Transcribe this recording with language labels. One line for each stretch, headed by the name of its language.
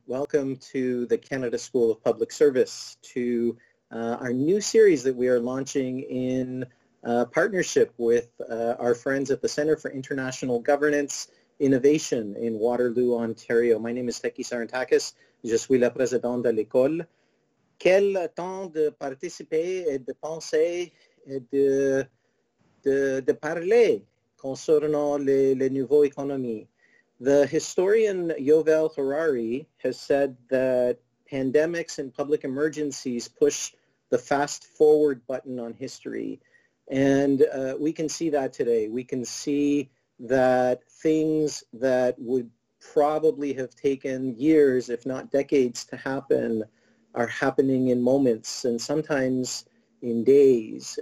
English: Welcome to the Canada School of Public Service, to our new series that we are launching in partnership with our friends at the Centre for International Governance Innovation in Waterloo, Ontario. My name is Teki Sarantakis.
French: Je suis la présidente de l'école. Quel temps de participer et de penser et de parler concernant les nouveaux économies?
English: The historian Yovel Harari has said that pandemics and public emergencies push the fast forward button on history. And we can see that today. We can see that things that would probably have taken years, if not decades, to happen are happening in moments and sometimes in days.